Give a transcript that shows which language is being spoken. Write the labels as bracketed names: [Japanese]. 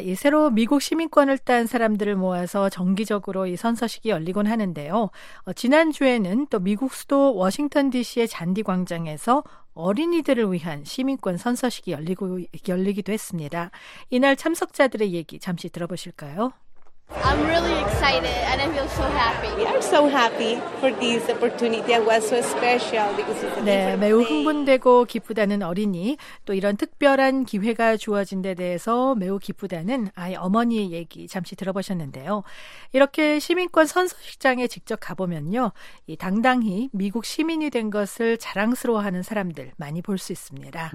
[Korean] 이 새로 미국 시민권을 딴 사람들을 모아서 정기적으로 이 선서식이 열리곤 하는데요. 지난주에는 또 미국 수도 워싱턴 DC의 잔디 광장에서 어린이들을 위한 시민권 선서식이 열리기도 했습니다. 이날 참석자들의 얘기 잠시 들어보실까요? [English] I'm really excited and I feel so happy. We are so happy for this opportunity. It was so special because it's a [Korean] 네, 매우 흥분되고 기쁘다는 어린이, 또 이런 특별한 기회가 주어진 데 대해서 매우 기쁘다는 아이 어머니의 얘기 잠시 들어보셨는데요. 이렇게 시민권 선서식장에 직접 가보면요. 이 당당히 미국 시민이 된 것을 자랑스러워하는 사람들 많이 볼 수 있습니다.